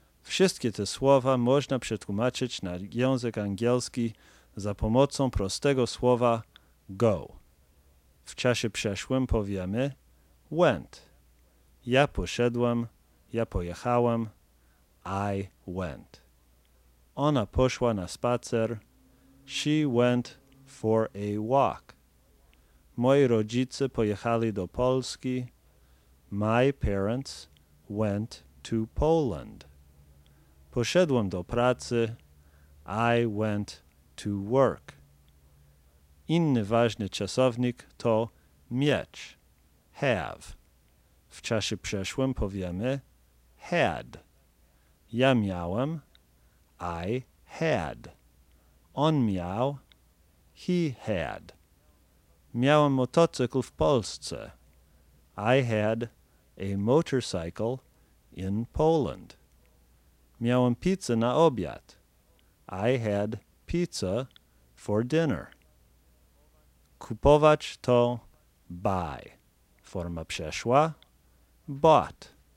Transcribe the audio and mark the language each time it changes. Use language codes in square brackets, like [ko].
[pl] Wszystkie te słowa można przetłumaczyć na język angielski za pomocą prostego słowa go. W czasie przeszłym powiemy went. Ja poszedłem, ja pojechałem, [en] I went. [pl] Ona poszła na spacer, [en] she went for a walk. [pl] Moi rodzice pojechali do Polski, [en] my parents went to Poland. [pl] Poszedłem do pracy, [en] I went to work. [pl] Inny ważny czasownik to mieć, have. W czasie przeszłym powiemy had. Ja miałem, [en] I had. [pl] On miał, [en] he had. [pl] Miałem motocykl w Polsce. [en] I had a motorcycle in Poland. [pl] Miałem pizzę na obiad. [en] I had pizza for dinner. [pl] Kupować to buy. Forma przeszła. Bought.